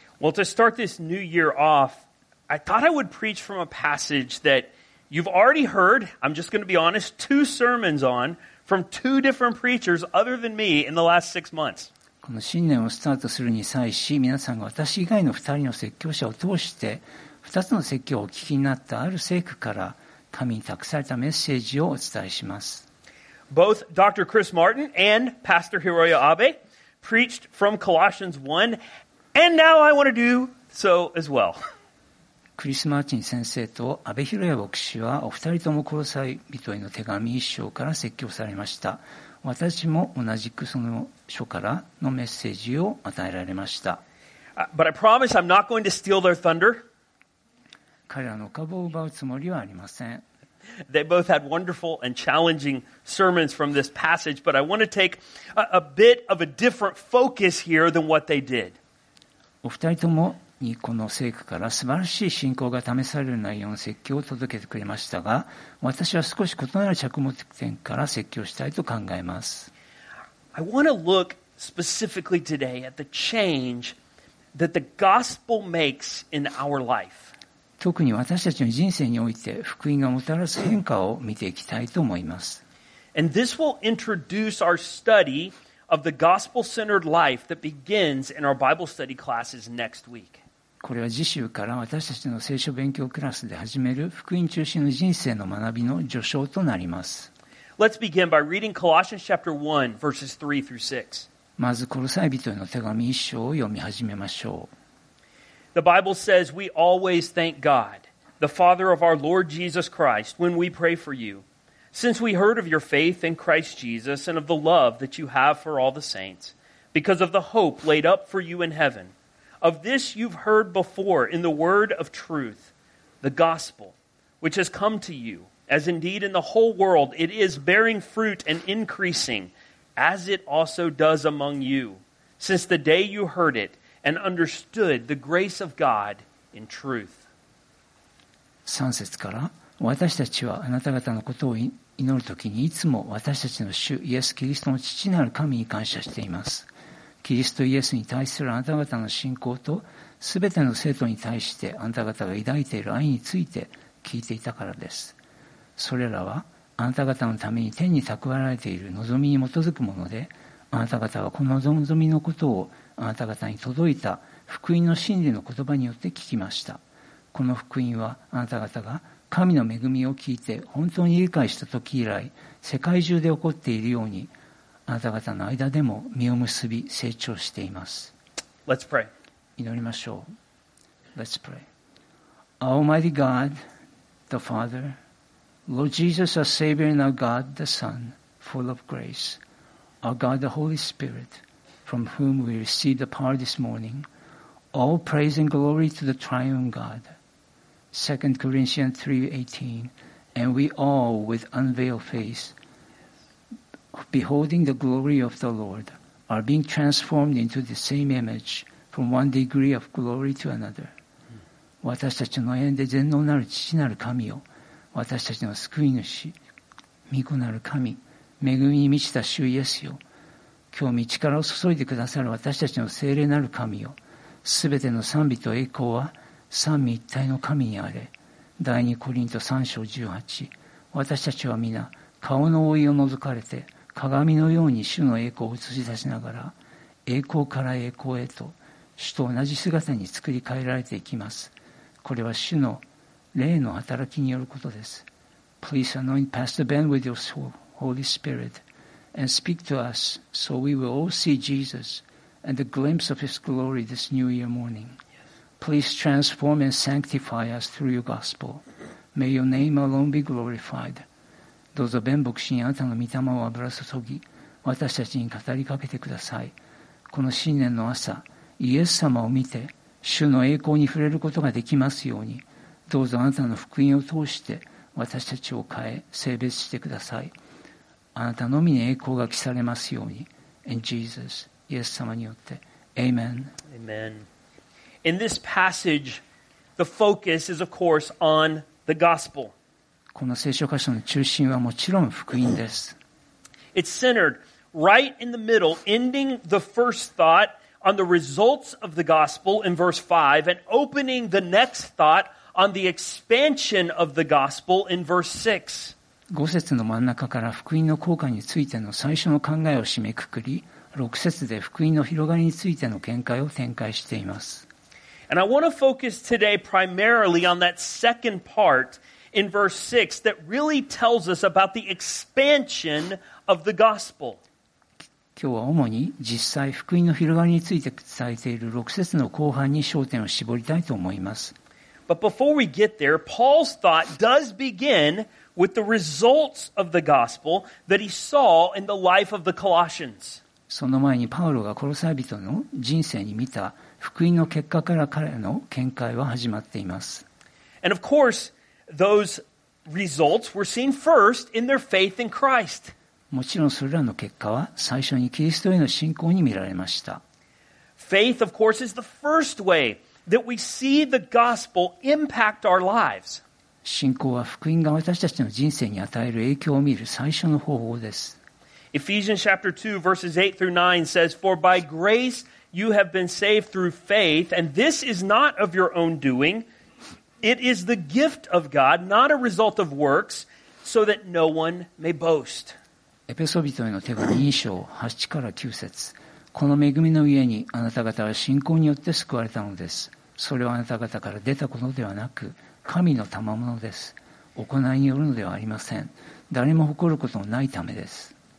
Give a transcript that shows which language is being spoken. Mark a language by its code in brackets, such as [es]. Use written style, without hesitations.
[en] Well, to start this new year off, I thought I would preach from a passage that you've already heard, I'm just going to be honest, two sermons on from two different preachers other than me in the last 6 months. [ja] この新年をスタートするに際し、皆さんが私以外の二人の説教者を通して、二つの説教をお聞きになったある聖句から、神に託されたメッセージをお伝えします。 [en] Both Dr. Chris Martin and Pastor Hiroya Abe preached from Colossians 1, and now I want to do so as well. [ja] クリス・マーチン先生と阿部浩也牧師は、お二人ともコロサイ人への手紙一章から説教されました。私も同じくその書からのメッセージを与えられました。 [en] But I promise I'm not going to steal their thunder. [ja] 彼らの株を奪うつもりはありません。 [en] They both had wonderful and challenging sermons from this passage, but I want to take a bit of a different focus here than what they did. [ja] お二人ともにこの聖句から素晴らしい信仰が試される内容の説教を届けてくれましたが、私は少し異なる着目点から説教したいと考えます。 [en] I want to look specifically today at the change that the gospel makes in our life. [ja] 特に私たちの人生において福音がもたらす変化を見ていきたいと思います。 [en] And this will introduce our study of the gospel-centered life that begins in our Bible study classes next week. [ja] これは次週から私たちの聖書勉強クラスで始める福音中心の人生の学びの序章となります。 [en] Let's begin by reading Colossians chapter 1, verses 3 through 6. [ja] まずコロサイ人への手紙一章を読み始めましょう。 [en] The Bible says we always thank God, the Father of our Lord Jesus Christ, when we pray for you. Since we heard of your faith in Christ Jesus and of the love that you have for all the saints, because of the hope laid up for you in heaven,Of this you've heard before in the word of truth, the gospel, which has come to you, as indeed in the whole world it is bearing fruit and increasing, as it also does among you, since the day you heard it and understood the grace of God in truth. [ja] 3節から、私たちはあなた方のことを祈るときにいつも私たちの主イエス・キリストの父なる神に感謝しています。キリストイエスに対するあなた方の信仰と、すべての生徒に対してあなた方が抱いている愛について聞いていたからです。それらは、あなた方のために天に蓄えられている望みに基づくもので、あなた方はこの望みのことをあなた方に届いた福音の真理の言葉によって聞きました。この福音は、あなた方が神の恵みを聞いて本当に理解した時以来、世界中で起こっているように、あなた方の間でも実を結び成長しています。 [en] Let's pray. [ja] 祈りましょう。 [en] Let's pray. Almighty God, the Father, Lord Jesus, our Savior and our God, the Son, full of grace, our God, the Holy Spirit, from whom we receive the power this morning, all praise and glory to the Triune God. 2 Corinthians 3:18, and we all with unveiled face,Beholding the glory of the Lord, are being transformed into the same image from one degree of glory to another. [ja] 私たちの縁で全能なる父なる神を、私たちの救い主、御子なる神、恵みに満ちた主イエスよ、今日御力を注いでくださる私たちの聖霊なる神よ、すべての賛美と栄光は三位一体の神にあれ。第二コリント三章十八。私たちは皆顔の覆いを除かれて、鏡のように主の栄光を映し出しながら、栄光から栄光へと、主と同じ姿に作り変えられていきます。これは主の霊の働きによることです。 [en] Please anoint Pastor Ben with your Holy Spirit and speak to us so we will all see Jesus and a glimpse of his glory this New Year morning. Please transform and sanctify us through your gospel. May your name alone be glorified. [ja] どうぞ、ベン牧師にあなたの御霊を油注ぎ、私たちに語りかけてください。この新年の朝、イエス様を見て、主の栄光に触れることができますように、どうぞあなたの福音を通して、私たちを変え、性別してください。あなたのみに栄光が帰されますように、 [en] In Jesus, [ja] イエス様によって、Amen. [en] Amen. In this passage, the focus is of course on the gospel. [ja] この聖書箇所の中心はもちろん福音です。 [en] It's centered right in the middle, ending the first thought on the results of the gospel in verse 5 and opening the next thought on the expansion of the gospel in verse 6. [ja] 5節の真ん中から福音の効果についての最初の考えを締めくくり、6節で福音の広がりについての見解を展開しています。 [en] And I want to focus today primarily on that second part in verse 6 that really tells us about the expansion of the gospel. [ja] 今日は主に実際福音の広がりについて伝えている6節の後半に焦点を絞りたいと思います。 [en] But before we get there, Paul's thought does begin with the results of the gospel that he saw in the life of the Colossians. [ja] その前にパウロがコロサイ人の人生に見た福音の結果から彼の見解は始まっています。 [en] And of course, those results were seen first in their faith in Christ. [ja] もちろんそれらの結果は最初にキリストへの信仰に見られました。 [en] Faith, of course, is the first way that we see the gospel impact our lives. [ja] 信仰は福音が私たちの人生に与える影響を見る最初の方法です。 [en] Ephesians chapter 2 verses 8 through 9 says, For by grace you have been saved through faith, and this is not of your own doing. It is the gift of God, not a result of works, so that no one may boast. [ja] エペソ人への手紙2章8から9節。この恵みのゆえにあなた方は信仰によって救われたのです。それはあなた方から出たことではなく、神の賜物です。行いによるのではありません。誰も誇ることのないためです。